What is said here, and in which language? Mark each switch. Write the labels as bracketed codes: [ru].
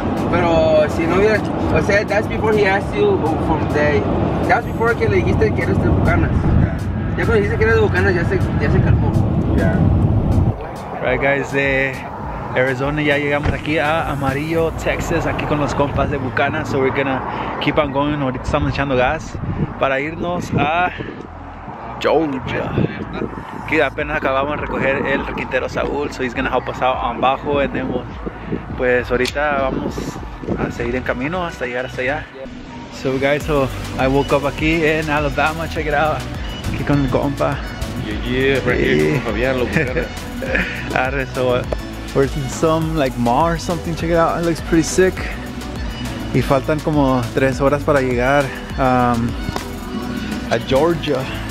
[es] Pero si no hubiera, o sea, [en] that's before he asked you from the day. That's before [es] que le dijiste que eres de Bucanas. Ya cuando dijiste que eres de Bucanas, ya se calmó. [en] Yeah. Right, guys, [es] de Arizona, ya llegamos aquí a Amarillo, Texas, aquí con los compas de Bucanas. [en] So we're gonna keep on going. [es] Ahorita estamos echando gas para irnos a Georgia. Aquí apenas acabamos de recoger el requintero Saúl, [en] so he's gonna help us out on bajo, and then we'll, [es] pues ahorita vamos a seguir en camino hasta llegar hasta allá. [en] So guys, so I woke up [es] aquí en Alabama, [en] check it out, [es] aquí con el compa. [en] Yeah, right here [es] con Fabián, lo que era. [en] Arre, so we're in some like mall or something, check it out, it looks pretty sick. [es] Y faltan como 3 horas para llegar a Georgia.